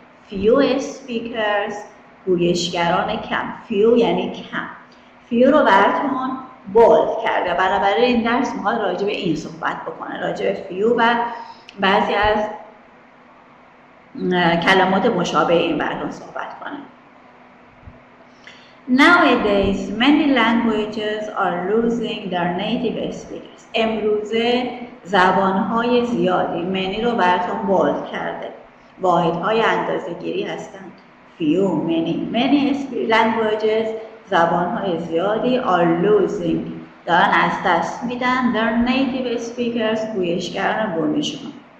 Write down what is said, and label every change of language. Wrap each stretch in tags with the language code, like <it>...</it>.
<en>Few speakers،</en> <fa>گویشگران کم. Few یعنی کم. Few رو براتون bold کرده، برابره این درس میخواد راجع به این صحبت بکنه، راجع به few و بعضی از کلمات مشابه این براتون صحبت کنه.</fa> <en>Nowadays many languages are losing their native speakers.</en> <fa>امروزه زبان‌های زیادی، many رو براتون bold کرده، واحدهای اندازه‌گیری هستند. Few، many.</fa> <en>Many languages،</en> <fa>زبان‌های زیادی،</fa> <en>are losing،</en> <fa>دارن از دست میدن</fa> <en>their native speakers،</en> <fa>گویشگران بومیشون.</fa>